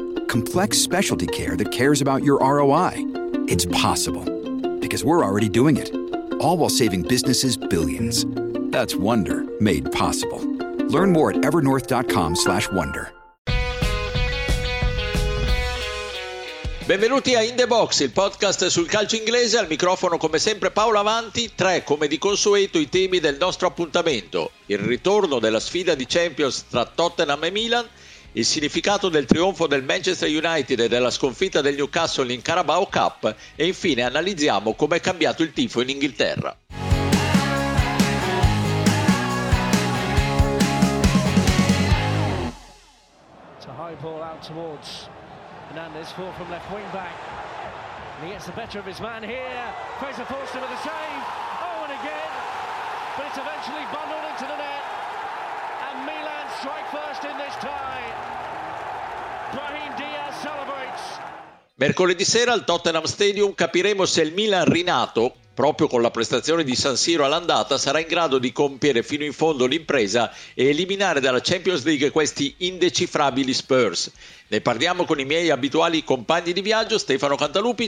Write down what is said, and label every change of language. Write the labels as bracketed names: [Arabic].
[English] Complex specialty care that cares about your ROI? It's possible. Because we're already doing it. All while saving businesses billions. That's Wonder made possible. Learn more at evernorth.com/wonder. [Italian] Benvenuti a In The Box, il podcast sul calcio inglese. Al microfono, come sempre, Paolo Avanti. Tre, come di consueto, i temi del nostro appuntamento: il ritorno della sfida di Champions tra Tottenham e Milan, il significato del trionfo del Manchester United e della sconfitta del Newcastle in Carabao Cup, e infine analizziamo come è cambiato il tifo in Inghilterra. [English] Hernandez, four from left wing back, and he gets the better of his man here. Fraser Forster with a save. Oh, and again, but it's eventually bundled into the net, and Milan strike first in this tie. Brahim Diaz celebrates. [Italian] Mercoledì sera al Tottenham Stadium capiremo se il Milan rinato, proprio con la prestazione di San Siro all'andata, sarà in grado di compiere fino in fondo l'impresa e eliminare dalla Champions League questi indecifrabili Spurs. Ne parliamo con i miei abituali compagni di viaggio, Stefano Cantalupi.